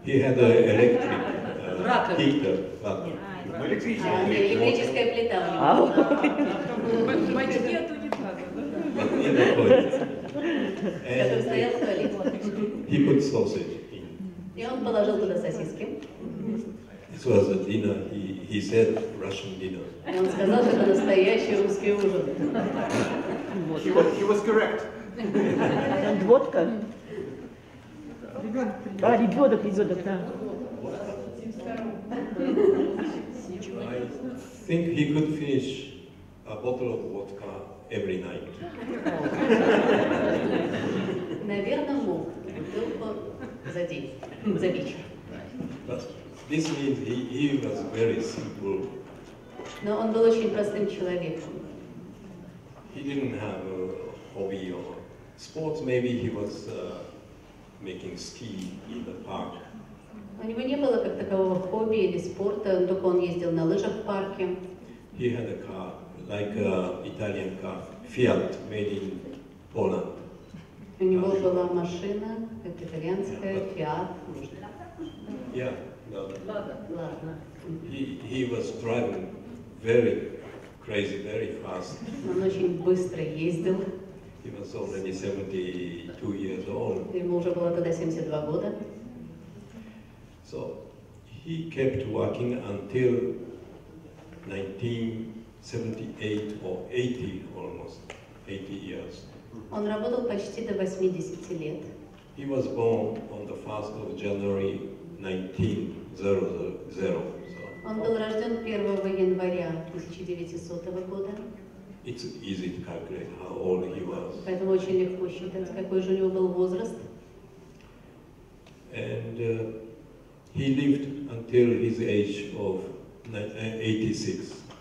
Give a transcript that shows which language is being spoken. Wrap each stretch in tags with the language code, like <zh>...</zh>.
<en>He had an electric heater.</en> <ru>Электрическая плита у него. Почти от унитаза.</ru> <en>In the toilet.</en> <ru>Который стоял в туалете.</ru> <en>He put sausage in.</en> <ru>И он положил туда сосиски.</ru> <en>This was a dinner. He said Russian dinner.</en> <ru>И он сказал, что это настоящий русский ужин.</ru> <en>He was correct. And водка.</en> <ru>А, ребенок идет, да.</ru> <en>I think he could finish a bottle of vodka every night.</en> <ru>Наверное, мог бутылку за день, за вечер.</ru> <en>But this means he was very simple.</en> <ru>Но он был очень простым человеком.</ru> <en>He didn't have a hobby or sports. Maybe he was making ski in the park.</en> <ru>У него не было как такового хобби или спорта. Только он ездил на лыжах в парке.</ru> <en>He had a car, like an Italian car, Fiat, made in Poland.</en> <ru>У него была машина, как итальянская,</ru> <en>yeah, but,</en> <ru>Fiat.</ru> <en>Yeah, no.</en> <ru>Ладно.</ru> <en>He was driving very crazy, very fast.</en> <ru>Он очень быстро ездил.</ru> <en>He was already 72 years old.</en> <ru>Ему уже было тогда 72 года.</ru> <en>So he kept working until 1978 or 80, almost 80 years.</en> <ru>Он работал почти до 80 лет.</ru> <en>He was born on the 1st of January 1900.</en> <ru>Он был рожден 1 января 1900 года.</ru> <en>It's easy to calculate how old he was.</en> <ru>Поэтому очень легко считать, какой же у него был возраст.</ru> <en>And he lived until his age of 86.</en>